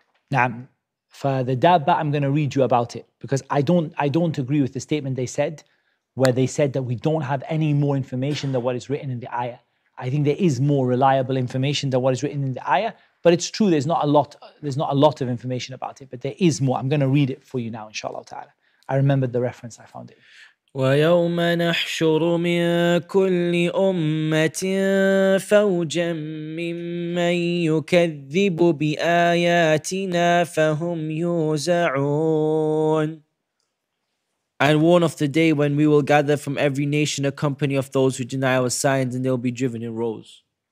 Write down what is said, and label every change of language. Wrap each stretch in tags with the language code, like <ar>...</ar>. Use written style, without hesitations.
<en>Now, for the dabba, I'm gonna read you about it because I don't agree with the statement they said, where they said that we don't have any more information than what is written in the ayah. I think there is more reliable information than what is written in the ayah, but it's true there's not a lot of information about it, but there is more. I'm gonna read it for you now, inshallah ta'ala. I remembered the reference, I found it.</en> <ar>ويوم نحشر من كل أمة فوجا ممن يكذب بآياتنا فهم يوزعون.</ar> <en>And warn of the day when we will gather from every nation a company of those who deny our signs and they'll be driven in rows.</en>